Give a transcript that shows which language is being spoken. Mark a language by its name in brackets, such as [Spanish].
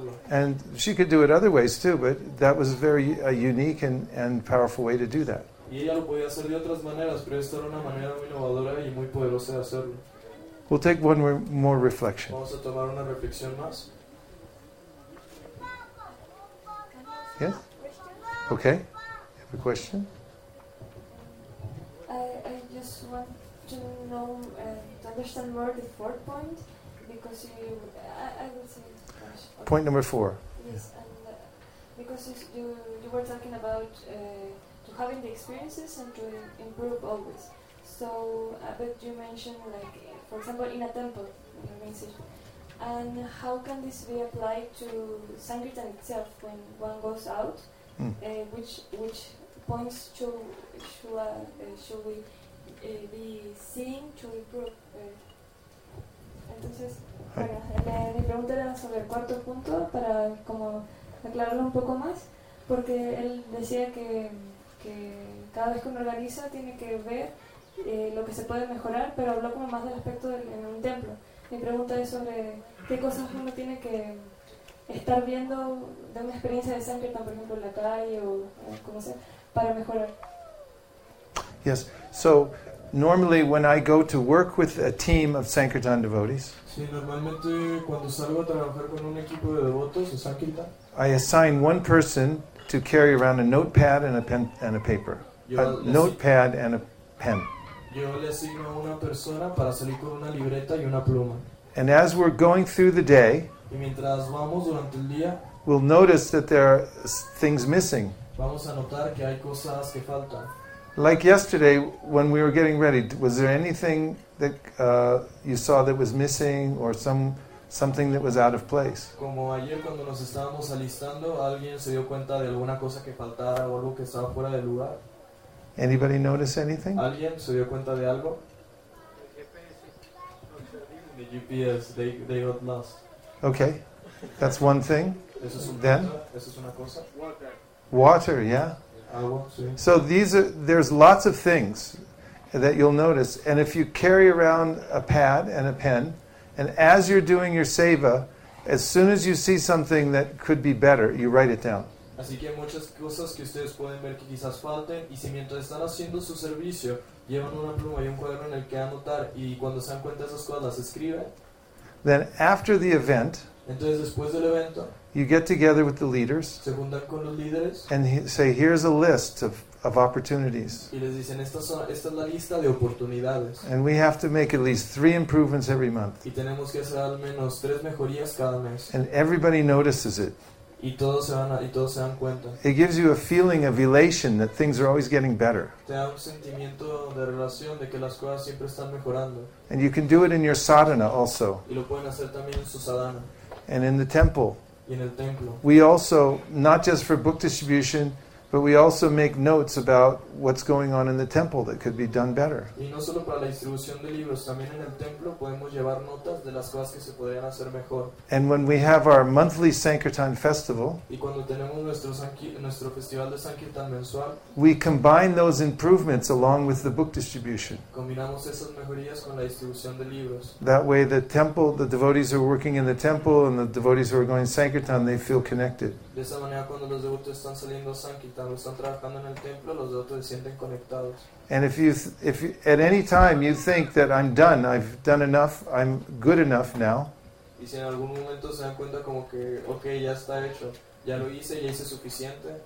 [English] And she could do it other ways too, but that was very unique and powerful way to do that. [Spanish] Y ella lo podía hacer de otras maneras, pero esta era una manera muy innovadora y muy poderosa de hacerlo. [English] We'll take one more reflection. [Spanish] Vamos a tomar una reflexión más. [English] Yes? Okay. You have a question? I just want to know, to understand more the fourth point, because you, I would say... Point number four. Yes, and because you were talking about... having the experiences and to improve always. So, but you mentioned, like, for example, in a temple, your message. And how can this be applied to Sankirtan itself when one goes out? Mm. Which points should we be seeing to improve? [Spanish] Entonces, mi pregunta era sobre el cuarto punto para como aclararlo un poco más, porque él decía que. Que cada vez que uno organiza tiene que ver lo que se puede mejorar, pero habló como más del aspecto en un templo. Mi pregunta es sobre qué cosas uno tiene que estar viendo de una experiencia de Sankirtan, por ejemplo, en la calle o como sea, para mejorar. [English] Yes, so normally when I go to work with a team of Sankirtan devotees, [Spanish] sí, normalmente cuando salgo a trabajar con un equipo de devotos de Sankirtan, [English] I assign one person to carry around a notepad and a pen and a paper. [Spanish] Yo [English] a notepad and a pen. [Spanish] Yo le asigno a una persona para salir con una libreta y una pluma. [English] And as we're going through the day, [Spanish] y mientras vamos durante el día, [English] we'll notice that there are things missing. [Spanish] Vamos a notar que hay cosas que faltan. [English] Like yesterday, when we were getting ready, was there anything that you saw that was missing or something that was out of place? [Spanish] Como ayer cuando nos estábamos alistando, alguien se dio cuenta de alguna cosa que faltaba o algo que estaba fuera de lugar. [English] Anybody notice anything? [Spanish] ¿Alguien se dio cuenta de algo? [English] The GPS, they got lost. Okay. That's one thing. [Spanish] Eso es un [English] then? [Spanish] Punto. Eso es una cosa. [English] Water, yeah. [Spanish] Agua, sí. [English] So there's lots of things that you'll notice, and if you carry around a pad and a pen, and as you're doing your seva, as soon as you see something that could be better, you write it down. [Spanish] Así que hay muchas cosas que ustedes pueden ver que quizás falten, y si mientras están haciendo su servicio, llevan una pluma y un cuaderno en el que anotar, y cuando se dan cuenta de esas cosas, las escriben. [English] Then after the event, [Spanish] entonces después del evento, [English] you get together with the leaders, [Spanish] se juntan con los líderes, [English] and say, here's a list of opportunities. [Spanish] Y les dicen, esta es la lista de oportunidades. [English] And we have to make at least 3 improvements every month. [Spanish] Y tenemos que hacer al menos 3 mejorías cada mes. [English] And everybody notices it. [Spanish] Y todos se van a, y todos se dan cuenta. [English] It gives you a feeling of elation that things are always getting better. [Spanish] Te da un sentimiento de relación de que las cosas siempre están mejorando. [English] And you can do it in your sadhana also. [Spanish] Y lo pueden hacer también en su sadhana. [English] And in the temple. [Spanish] Y en el templo. [English] We also, not just for book distribution, but we also make notes about what's going on in the temple that could be done better. [Spanish] Y no solo para la distribución de libros, también en el templo podemos llevar notas de las cosas que se podrían hacer mejor. [English] And when we have our monthly Sankirtan festival, [Spanish] y cuando tenemos nuestro nuestro festival de Sankirtan mensual, [English] we combine those improvements along with the book distribution. [Spanish] Combinamos esas mejorías con la distribución de libros. [English] That way the temple, the devotees who are working in the temple and the devotees who are going Sankirtan, they feel connected. [Spanish] De esa manera, cuando los devotos están saliendo a Sankirtan, están trabajando en el templo, los devotos se sienten conectados. [English] And if you, at any time you think that I'm done, I've done enough, I'm good enough now. [Spanish] Y si en algún momento se dan cuenta como que, okay, ya está hecho, ya lo hice, ya hice suficiente.